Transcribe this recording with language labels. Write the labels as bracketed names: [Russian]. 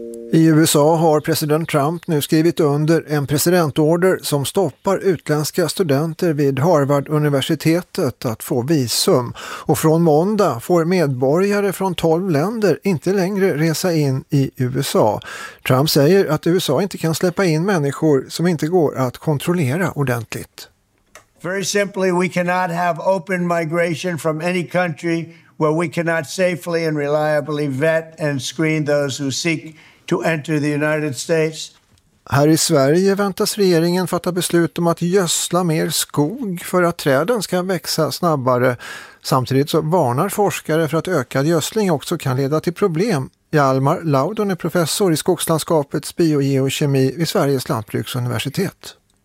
[Swedish] I USA har president Trump nu skrivit under en presidentorder som stoppar utländska studenter vid Harvard-universitetet att få visum. Och från måndag får medborgare från 12 länder inte längre resa in i USA. Trump säger att USA inte kan släppa in människor som inte går att kontrollera ordentligt. [English] Very simply, we cannot have open migration from any country where we cannot safely and reliably vet and screen those who seek to enter the United States. [Swedish] Här i Sverige väntas regeringen fatta beslut om att gödsla mer skog för att träden ska växa snabbare. Samtidigt så varnar forskare för att ökad gödsling också kan leda till problem. Hjalmar Laudon är professor i skogslandskapets biogeokemi vid Sveriges lantbruksuniversitet.